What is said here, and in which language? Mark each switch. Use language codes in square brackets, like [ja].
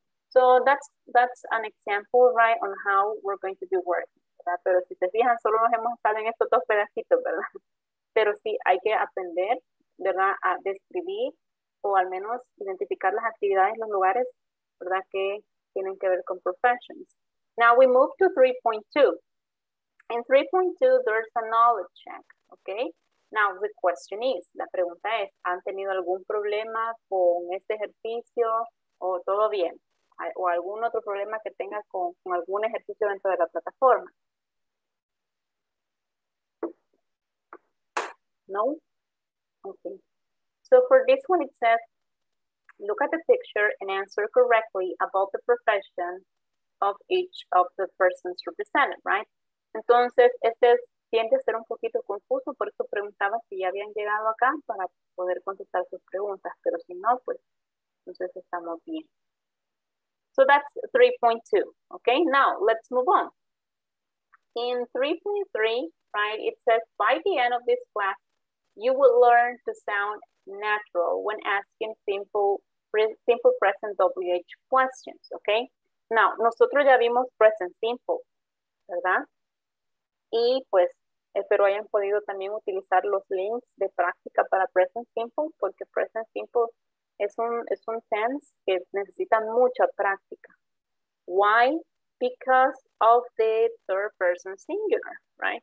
[en] So that's an example, right, on how we're going to do work. [es] ¿Verdad? Pero si te fijan, solo nos hemos estado en estos dos pedacitos, ¿verdad? Pero sí, hay que aprender, ¿verdad?, a describir o al menos identificar las actividades, los lugares, ¿verdad?, que tienen que ver con professions. [en] Now we move to 3.2. In 3.2, there's a knowledge check, okay? [es] Now the question is, la pregunta es, ¿han tenido algún problema con este ejercicio o todo bien? O algún otro problema que tenga con algún ejercicio dentro de la plataforma. [en] No? Okay. So for this one, it says, look at the picture and answer correctly about the profession of each of the persons represented, right? [es] Entonces, este tiende a ser un poquito confuso, por eso preguntaba si ya habían llegado acá para poder contestar sus preguntas, pero si no, pues, entonces estamos bien. [en] So that's 3.2, okay? Now, let's move on. In 3.3, right, it says, by the end of this class, you will learn to sound natural when asking simple present WH questions, okay? [es] Now, nosotros ya vimos present simple, ¿verdad? Y pues, espero hayan podido también utilizar los links de práctica para present simple, porque present simple es un tense que necesita mucha práctica. Why? [en] Because of the third person singular, right?